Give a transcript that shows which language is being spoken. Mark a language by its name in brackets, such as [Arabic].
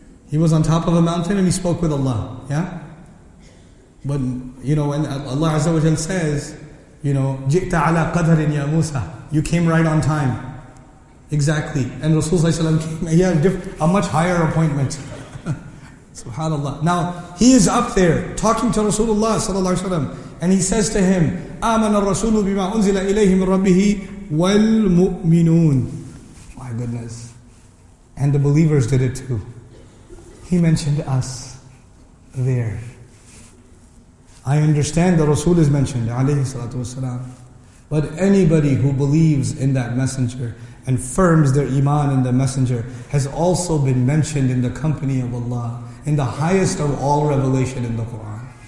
[English] He was on top of a mountain and he spoke with Allah. Yeah? But, you know, when Allah Azza wa Jal says, you know, [Arabic] جِئْتَ عَلَىٰ قَدْرٍ يَا مُوسَىٰ. [English] You came right on time. Exactly. And Rasulullah Sallallahu Alaihi Wasallam came, he had a much higher appointment. SubhanAllah. Now, he is up there talking to Rasulullah Sallallahu Alaihi Wasallam. And he says to him, [Arabic] آمَنَ الرَّسُولُ بِمَا أُنزِلَ إِلَيْهِ مِنْ رَبِّهِ وَالْمُؤْمِنُونَ. [English] My goodness. And the believers did it too. He mentioned us there. I understand the Rasul is mentioned, alayhi salatu wasalam. But anybody who believes in that messenger and firms their iman in the messenger has also been mentioned in the company of Allah, in the highest of all revelation in the Quran.